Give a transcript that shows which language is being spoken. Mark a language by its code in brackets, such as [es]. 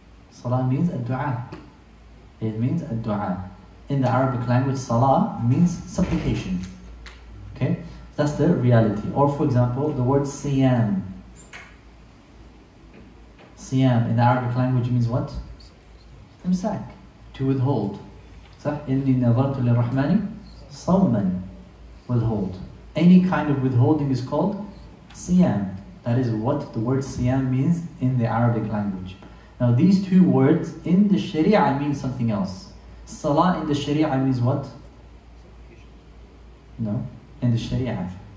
[en] Salah means a dua. It means a dua. In the Arabic language, salah means supplication. Okay? That's the reality. Or for example, the word siyam. Siyam in the Arabic language means what? Imsak, to withhold. صح? [ar] إني نظرت للرحمن صوما [en] withhold. Any kind of withholding is called siyam. That is what the word siyam means in the Arabic language. Now these two words in the Sharia mean something else. Salah in the Sharia means what? No. In the Sharia.